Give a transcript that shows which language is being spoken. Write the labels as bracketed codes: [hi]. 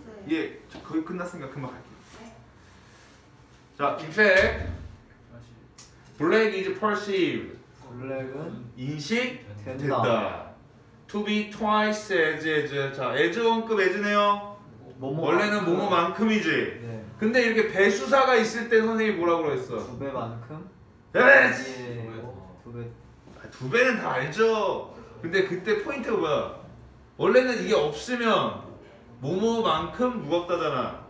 [ko] 예, 저 거의 끝났으니까 금방 갈게요. 네. [en] 자, in fact, black is perceived. [ko] 블랙은 인식 된다. [en] To be twice as 자, as 원급 as네요. [ko] 원래는 뭐뭐만큼이지. 네. 근데 이렇게 배수사가 있을 때 선생님이 뭐라고 그랬어? 두 배만큼? 에이씨! 두 배. 아, 두 배는 다 알죠. 근데 그때 포인트가 뭐야? 원래는 이게 없으면 뭐뭐만큼 무겁다잖아.